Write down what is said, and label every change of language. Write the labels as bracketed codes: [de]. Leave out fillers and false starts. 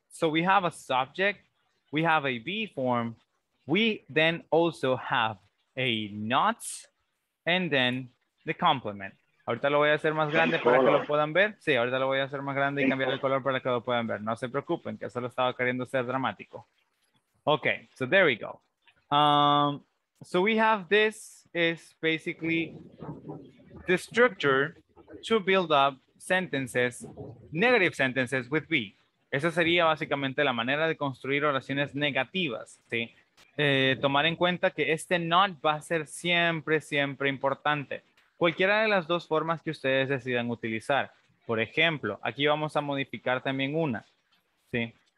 [en] So we have a subject, we have a be form, we then also have a not, and then the complement. [es] Ahorita lo voy a hacer más grande para que lo puedan ver. Sí, ahorita lo voy a hacer más grande y cambiar el color para que lo puedan ver. No se preocupen, que solo estaba queriendo ser dramático. [en] Okay, so there we go. So we have this is basically the structure to build up sentences, negative sentences with be. [es] Esa sería básicamente la manera de construir oraciones negativas, ¿sí? Tomar en cuenta que este not va a ser siempre, siempre importante. Cualquiera de las dos formas que ustedes decidan utilizar. Por ejemplo, aquí vamos a modificar también una, ¿sí?